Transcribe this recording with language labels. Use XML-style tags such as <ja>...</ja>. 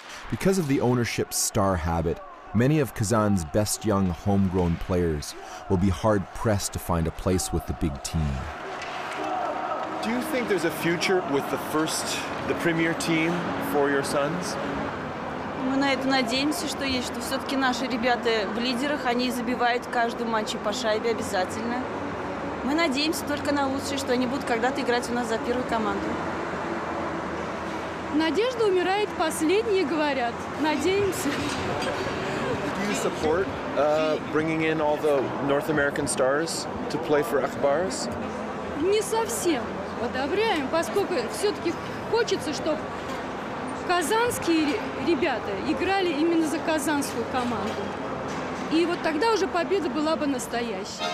<en>Because of the ownership's star habit, many of Kazan's best young homegrown players will be hard-pressed to find a place with the big team. Do you think there's a future with the premier team for your sons?</en> <ru>Мы на это надеемся, что есть, что все-таки наши ребята в лидерах, они забивают каждый матч по шайбе обязательно. Мы надеемся только на лучшее, что они будут когда-то играть у нас за первую команду. Надежда умирает последней, говорят. Надеемся.</ru> <en>Do you support bringing in all the North American stars to play for Akhbaris?</en> <ru>Не совсем. Одобряем, поскольку все-таки хочется, чтобы казанские ребята играли именно за казанскую команду. И вот тогда уже победа была бы настоящей.</ru>